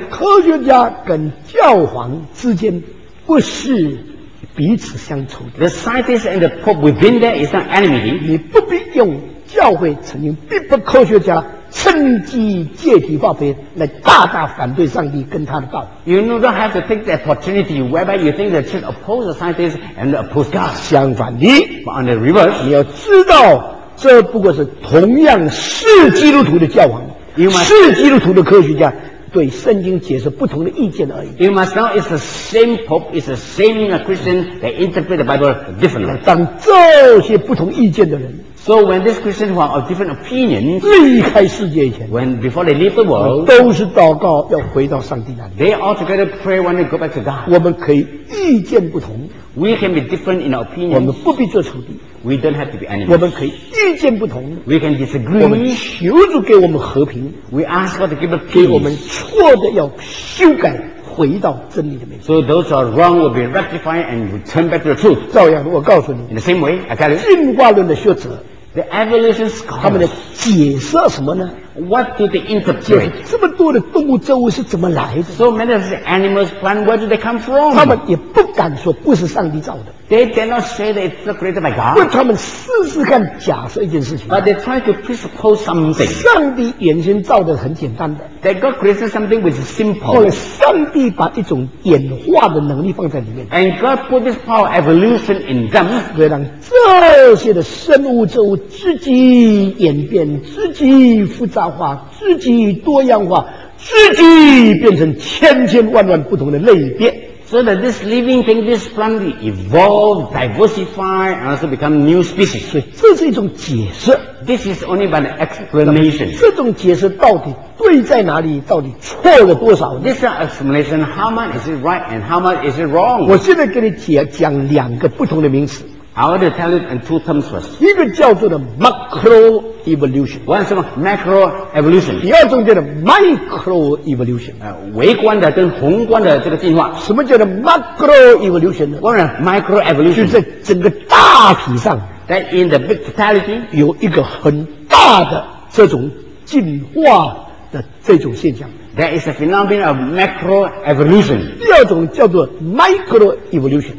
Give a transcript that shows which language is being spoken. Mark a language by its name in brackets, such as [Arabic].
[Chinese] 科学家跟教皇之间不是彼此相仇的。 [English] The scientists and the Pope within there is an enemy. [Chinese] 你不必用教会曾经逼迫科学家趁机借题发挥来大大反对上帝跟他的道。 [English] You don't have to take the opportunity whereby you think the church oppose the scientists and oppose God. [Chinese] 相反的 [English] But on the reverse, [Chinese] 你要知道这不过是同样是基督徒的教皇，是基督徒的科学家。对圣经解释不同的意见而已。 [English] You must know it's the same Pope, it's the same Christian that interpret the Bible differently. [Chinese] 当这些不同意见的人 [English] ，So when these Christians who are of different opinions [Chinese] 离开世界以前 [English] ，When before they leave the world， [Chinese] 都是祷告要回到上帝那里。 [English] They all together pray when they go back to God. [Chinese] 我们可以意见不同 [English] ，We can be different in our opinions. [Chinese] 我们不必做仇敌 [English] We don't have to be enemies. [Chinese] 我们可以意见不同。 [English] We can disagree. [Chinese] 我们求主给我们和平。 [English] We ask God to give us peace. [Chinese] 给我们错的要修改，回到真理的面前。 [English] So those who are wrong will be rectified and return back to the truth. [Chinese] 照样，我告诉你。 [English] In the same way, I tell you. [Chinese] 进化论的学者。 [English] The evolution scholars, [Chinese] 他们的解释什么呢？ [English] What do they interpret? [Chinese] 这么多的动物周围是怎么来的？ [English] So many of the animals, plants, where do they come from? [Chinese] 他们也不敢说不是上帝造的。 [English] They cannot say that it's created by God. [Chinese] 问他们试试看，假设一件事情。 [English] But they try to presuppose something. [Chinese] 上帝原先造的很简单的。 [English] That God created something which is simple. [Chinese] 或者上帝把一种演化的能力放在里面。 [English] And God put this power evolution in them. [Chinese] 为让这些的生物周围自己演变，自己复杂化，自己多样化，自己变成千千万万不同的类别。 [English] So that this living thing, this plant, evolve, diversify, and also become new species. [Chinese] 所以这是一种解释。 [English] This is only by the explanation. [Chinese] 这种解释到底对在哪里？到底错了多少？ [English] This explanation, how much is it right and how much is it wrong? [Chinese] 我现在跟你讲两个不同的名词。 [English] I want to tell it in two terms first. [Chinese] 一个叫做的 macro evolution. 为什么 macro evolution? 第二种叫的 micro evolution. 微观的跟宏观的这个进化。什么叫的 macro evolution? 为什么 micro evolution? 就是整个大体上 [English] that in the big totality, [Chinese] 有一个很大的这种进化的这种现象。 [English] There is a phenomenon of macro evolution. [Chinese] 第二种叫做 micro evolution.